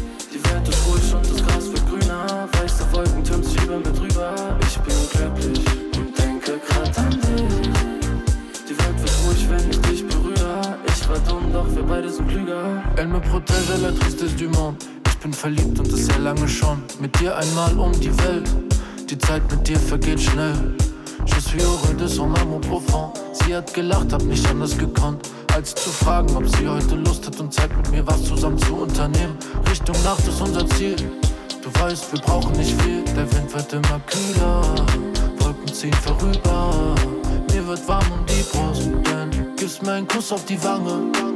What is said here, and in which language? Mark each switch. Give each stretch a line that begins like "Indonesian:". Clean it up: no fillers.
German: Die Welt ist ruhig und das Gras wird grüner. Weiße Wolken türmt sich über mir drüber. Ich bin glücklich und denke grad an dich. Die Welt wird ruhig, wenn ich dich berühre. Ich war dumm, doch wir beide sind klüger.
French: Elle me protège, la tristesse du monde.
German: Ich bin verliebt und das sehr lange schon. Mit dir einmal um die Welt. Die Zeit mit dir vergeht schnell.
French: Je suis heureux de son amour profond.
German: Sie hat gelacht, hab nicht anders gekonnt, als zu fragen, ob sie heute Lust hat und Zeit mit mir was zusammen zu unternehmen. Richtung Nacht ist unser Ziel. Du weißt, wir brauchen nicht viel. Der Wind wird immer kühler, Wolken ziehen vorüber. Mir wird warm um die Brust, denn gibst mir einen Kuss auf die Wange.